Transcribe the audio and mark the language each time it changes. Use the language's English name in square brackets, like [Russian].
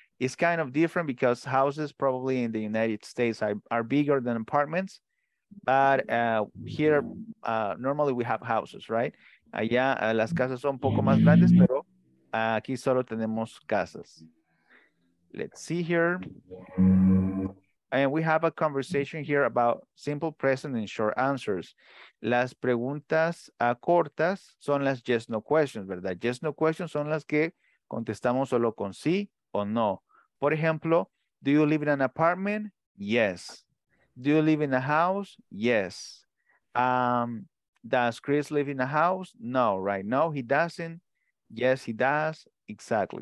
[English] It's kind of different because houses probably in the United States are bigger than apartments. But here, normally we have houses, right? [Spanish] Allá las casas son un poco más grandes, pero aquí solo tenemos casas. [English] Let's see here. And we have a conversation here about simple present and short answers. [Spanish] Las preguntas cortas son las yes, no questions, ¿verdad? Yes, no questions son las que contestamos solo con sí o no. Por ejemplo, [English] do you live in an apartment? Yes. Do you live in a house? Yes. Does Chris live in a house? No, right? No, he doesn't. Yes, he does. Exactly.